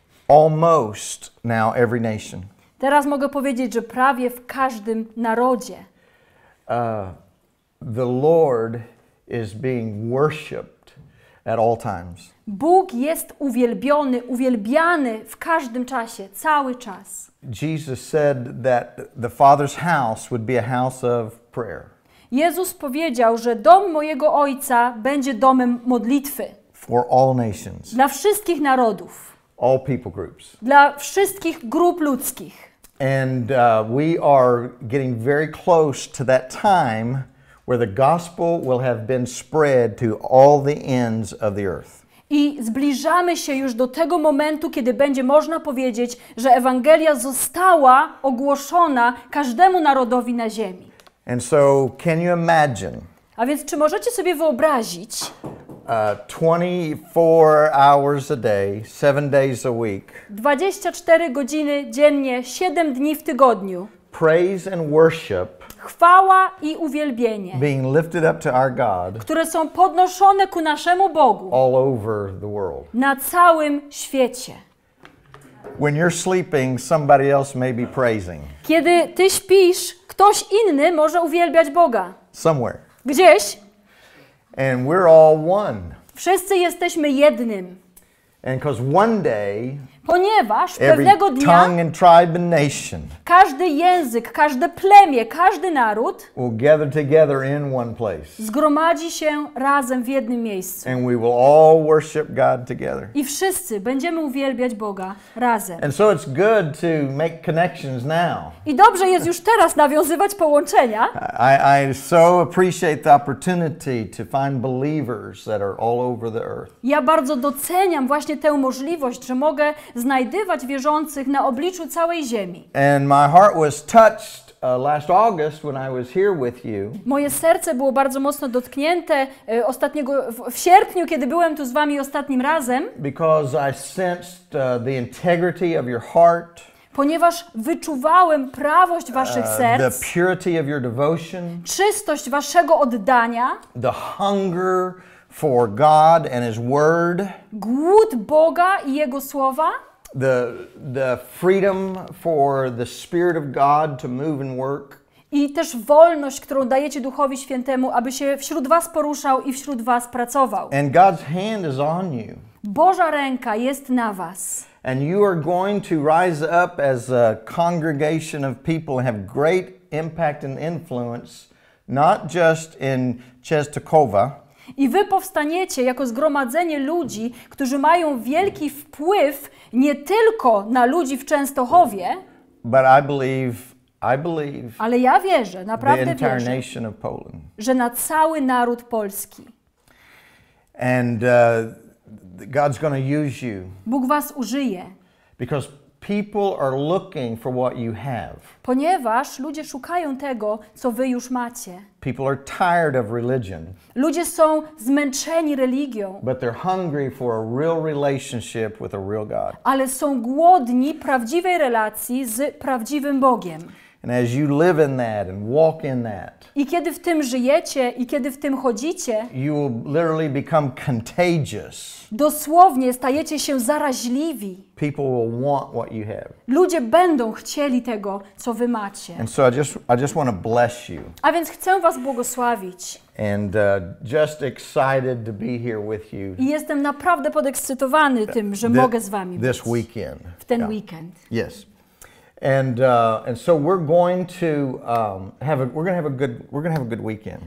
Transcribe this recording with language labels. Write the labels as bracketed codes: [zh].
[en] Almost now every nation. [pl] Teraz mogę powiedzieć, że prawie w każdym narodzie. [en] The Lord is being worshipped. At all times. [pl] Bóg jest uwielbiony, uwielbiany w każdym czasie, cały czas. [en] Jesus said that the Father's house would be a house of prayer. [pl] Jezus powiedział, że dom mojego Ojca będzie domem modlitwy. [en] For all nations. [pl] Dla wszystkich narodów. [en] All people groups. [pl] Dla wszystkich grup ludzkich. [en] And we are getting very close to that time where the gospel will have been spread to all the ends of the earth. [pl] I zbliżamy się już do tego momentu, kiedy będzie można powiedzieć, że Ewangelia została ogłoszona każdemu narodowi na ziemi. [en] And so, can you imagine? [pl] A więc czy możecie sobie wyobrazić? [en] 24 hours a day, 7 days a week. [pl] 24 godziny dziennie, 7 dni w tygodniu. [en] Praise and worship. [pl] Chwała i uwielbienie, [en] being lifted up to our God, [pl] które są podnoszone ku naszemu Bogu, [en] all over the world. [pl] Na całym świecie. [en] When you're sleeping, somebody else may be praising. [pl] Kiedy ty śpisz, ktoś inny może uwielbiać Boga. [en] Somewhere. [pl] Gdzieś. [en] And we're all one. [pl] Wszyscy jesteśmy jednym. [en] And 'cause one day, [pl] ponieważ pewnego dnia [en] tongue and tribe and nation, [pl] każdy język, każde plemię, każdy naród [en] will gather together in one place. [pl] Zgromadzi się razem w jednym miejscu. [en] And we will all worship God together. [pl] I wszyscy będziemy uwielbiać Boga razem. [en] And so it's good to make connections now. [pl] I dobrze jest już teraz nawiązywać połączenia. [en] I so appreciate the opportunity to find believers that are all over the earth. [pl] Ja bardzo doceniam właśnie tę możliwość, że mogę znajdywać wierzących na obliczu całej ziemi. [en] And my heart was touched last August when I was here with you. [pl] Moje serce było bardzo mocno dotknięte w sierpniu, kiedy byłem tu z wami ostatnim razem. [en] Because I sensed the integrity of your heart. [pl] Ponieważ wyczuwałem prawość waszych serc. [en] The purity of your devotion. [pl] Czystość waszego oddania. [en] The hunger for God and his word. [pl] Głód Boga i jego słowa. [en] The freedom for the Spirit of God to move and work. [pl] I też wolność, którą dajecie Duchowi Świętemu, aby się wśród was poruszał i wśród was pracował. [en] And God's hand is on you. [pl] Boża ręka jest na was. [en] And you are going to rise up as a congregation of people and have great impact and influence, not just in Częstochowa. [pl] I wy powstaniecie jako zgromadzenie ludzi, którzy mają wielki wpływ nie tylko na ludzi w Częstochowie, [en] but I believe, [pl] ale ja wierzę, naprawdę [en] the entire nation of Poland, [pl] że na cały naród polski. [en] And God's gonna use you. [pl] Bóg was użyje. [en] Because people are looking for what you have. [pl] Ponieważ ludzie szukają tego, co wy już macie. [en] People are tired of religion. [pl] Ludzie są zmęczeni religią. [en] But they're hungry for a real relationship with a real God. [pl] Ale są głodni prawdziwej relacji z prawdziwym Bogiem. [en] And as you live in that and walk in that, [pl] i kiedy w tym żyjecie i kiedy w tym chodzicie, [en] you will literally become contagious. [pl] Dosłownie stajecie się zaraźliwi. [en] People will want what you have. [pl] Ludzie będą chcieli tego, co wy macie. [en] And so I just want to bless you. [pl] A więc chcę was błogosławić. [en] And just excited to be here with you. [pl] I jestem naprawdę podekscytowany tym, że mogę z wami być. [en] This weekend. [pl] W ten weekend. [en] Yes. And so we're going to have a good weekend.